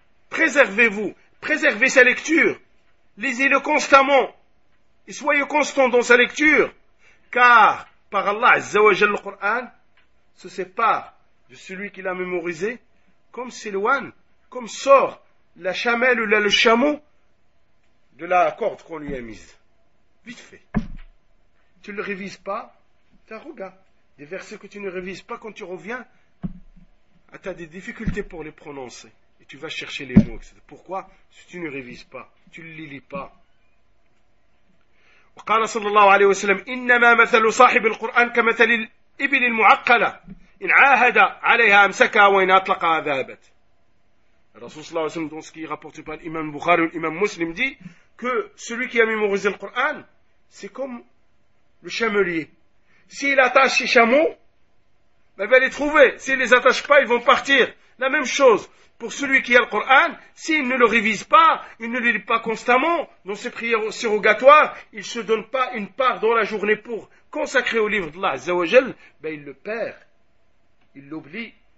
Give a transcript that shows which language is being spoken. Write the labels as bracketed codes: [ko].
[fr] Préservez-vous, préservez sa lecture, lisez-le constamment, et soyez constant dans sa lecture, car par Allah, Azza wa Jal, le Coran se sépare de celui qui l'a mémorisé, comme s'éloigne, comme sort la chamelle ou le chameau de la corde qu'on lui a mise. Vite fait. Tu ne le révises pas, t'as regard. Des versets que tu ne révises pas quand tu reviens, tu as des difficultés pour les prononcer. Et tu vas chercher les mots, etc. Pourquoi ? Si tu ne révises pas, tu ne les lis pas. [ar] وقال صلى الله عليه وسلم إنما مثل صاحب القرآن كمثل الإبل المعقلة إن عاهد عليها أمسكها وإن أطلقها ذهبت. [fr] Rasoul [ar] صلى الله عليه وسلم, [fr] dans ce qui est rapporté par l'imam Bukhari ou l'imam Muslim, dit que celui qui a mémorisé le Coran, c'est comme le chamelier. S'il attache ses chameaux, il va les trouver. S'il ne les attache pas, ils vont partir. La même chose. Pour celui qui a le Coran, s'il ne le révise pas, il ne le lit pas constamment dans ses prières surrogatoires, il ne se donne pas une part dans la journée pour consacrer au livre d'Allah, Azza wa Jal, ben il le perd, il l'oublie.